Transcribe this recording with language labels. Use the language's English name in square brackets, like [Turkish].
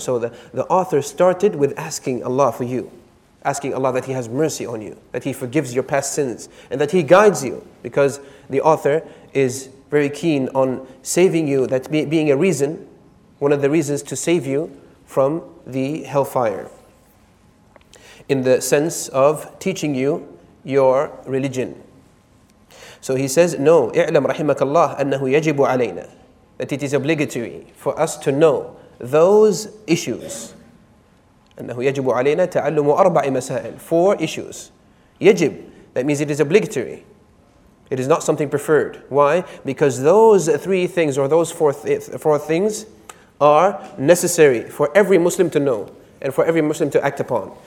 [English] So the author started with asking Allah for you, asking Allah that He has mercy on you, that He forgives your past sins, and that He guides you, because the author is very keen on saving you, that being a reason, one of the reasons to save you from the hellfire. In the sense of teaching you your religion. So he says, no, [Arabic] اعلم رحمك الله أنه يجب علينا. [English] that it is obligatory for us to know those issues. [Arabic] أنه يجب علينا تعلم أربع مسائل, [English] four issues. يجب, that means it is obligatory. It is not something preferred. Why? Because those three things or those four things are necessary for every Muslim to know and for every Muslim to act upon.